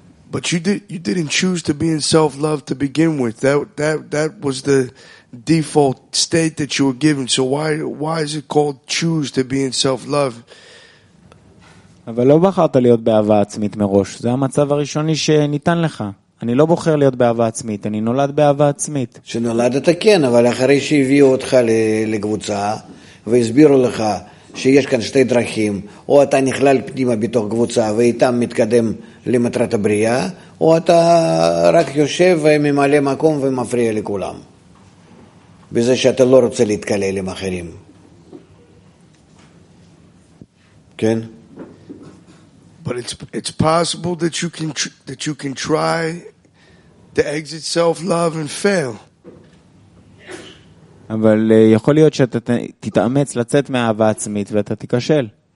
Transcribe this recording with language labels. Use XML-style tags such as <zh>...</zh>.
<en>But you didn't choose to be in self-love to begin with. That was the default state that you were given. So why is it called choose to be in self-love?</en> <he>אבל לא בחרת להיות באהבה עצמית מראש. זה המצב הראשוני שניתן לך. אני לא בוחר להיות באהבה עצמית. אני נולד באהבה עצמית. שנולדת כן, אבל אחרי שהביאו אותך לקבוצה והסבירו לך שיש כאן שתי דרכים, או אתה נכלל פנימה בתוך קבוצה ואיתם מתקדם למטרת הבריאה, או אתה רק יושב וממלא מקום ומפריע לכולם בזה שאתה לא רוצה להתקלל עם אחרים. כן?</he> <en>But it's possible that you can try to exit self-love and fail.</en> <he>אבל יכול להיות שאתה תתאמץ לצאת מהאהבה עצמית ואתה תיכשל.</he>